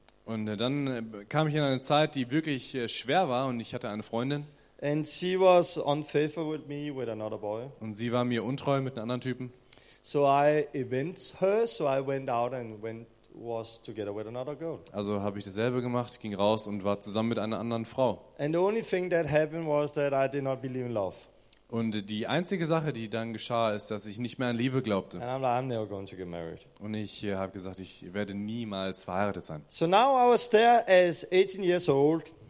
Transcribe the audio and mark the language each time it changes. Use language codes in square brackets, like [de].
[de] Und dann kam ich in eine Zeit, die wirklich schwer war und ich hatte eine Freundin. [en] And she was unfaithful with me with another boy. [de] Und sie war mir untreu mit einem anderen Typen. [en] So I evinced her, so I went out and was together with another girl. [de] Also habe ich dasselbe gemacht, ging raus und war zusammen mit einer anderen Frau. [en] And the only thing that happened was that I did not believe in love. [de] Und die einzige Sache, die dann geschah, ist, dass ich nicht mehr an Liebe glaubte. [en] And I'm like, I'm never going to get married. [de] Und ich habe gesagt, ich werde niemals verheiratet sein. [en] So now I was there as 18 years old.